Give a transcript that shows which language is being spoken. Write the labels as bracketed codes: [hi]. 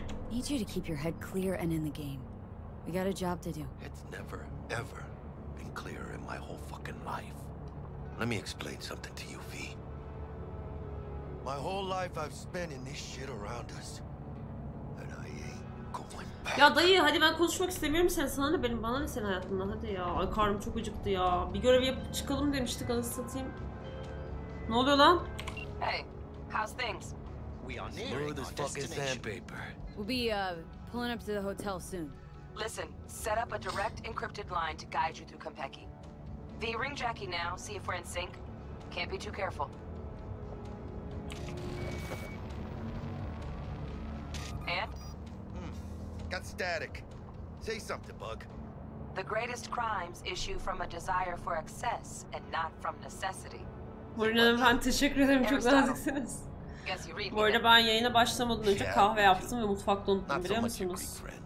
[en] Need you to keep your head clear and in the game. We got a job to do. It's never, ever been clearer in my whole fucking life. Let me explain something to you, V. My whole life I've spent in this shit around us. And I ain't going back. [tr] Ya dayı, hadi ben konuşmak istemiyorum, sen sana ne benim, bana ne senin hayatında, hadi ya. Ay, karnım çok acıktı ya. Bir görev yapıp çıkalım demiştik, anasını satayım. Ne oluyor lan? [en] Hey, how's things? We are nearing our fucking sandpaper. We'll be pulling up to the hotel soon. Listen, set up a direct encrypted line to guide you through Compeki. V, ring Jackie now, see if we're in sync. Can't be too careful. And? Got static. Say something, bug. The greatest crimes issue from a desire for excess and not from necessity. [tr] Bu arada ben yayına başlamadan önce kahve yaptım ve mutfakta unuttum, biliyor musunuz?